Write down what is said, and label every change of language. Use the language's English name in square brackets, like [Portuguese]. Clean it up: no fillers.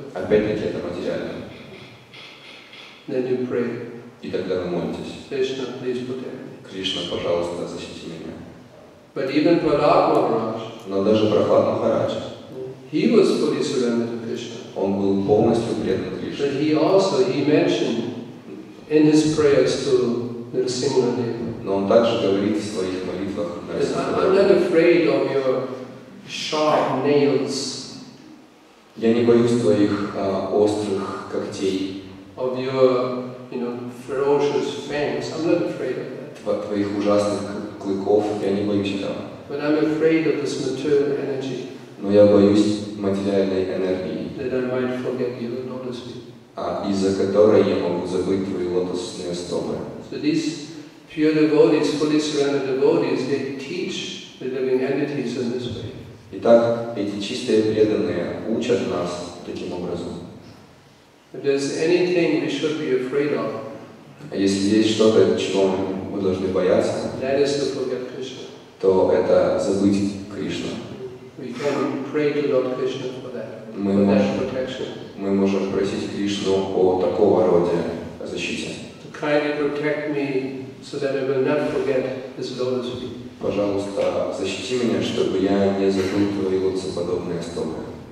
[Russian] Опять-таки это материальное. [English] Then you pray. [Russian] И тогда вы молитесь. [English] Krishna, please protect me. [Russian] Кришна, пожалуйста, защити меня. [English] But even Prahlada Maharaj. [Russian] Но даже Прахлад Махарадж. [English] He was fully surrendered to Krishna. [Russian] Он был полностью предан Кришне. [English] But he also mentioned in his prayers to Nrisimha Deva. [Russian] Но он также говорит в своих молитвах. [English] I'm not afraid of your sharp nails. [Russian] Я не боюсь твоих острых когтей. [English] Of your, you know, ferocious fangs. I'm not afraid of that. [Russian] Твоих ужасных клыков я не боюсь этого. [English] But I'm afraid of this material energy. [Russian] Но я боюсь материальной энергии. [English] That I might forget you lotusly. [Russian] Из-за которой я могу забыть твои лотосные стопы. [English] So these pure devotees, fully surrendered devotees, they teach the living entities in this way. [Russian] Итак, эти чистые преданные учат нас таким образом. [English] If there's anything we should be afraid of, [Russian] если есть что-то, чего мы должны бояться, [English] that is to forget Krishna. [Russian] То это забыть Кришну. [English] We can pray to Lord Krishna for that. [Russian] Мы можем просить Кришну о такого рода защите. [English] To kindly protect me so that I will not forget this lotus feet. [Russian] Пожалуйста, защити меня, чтобы я не забыл твои лотосоподобные стопы.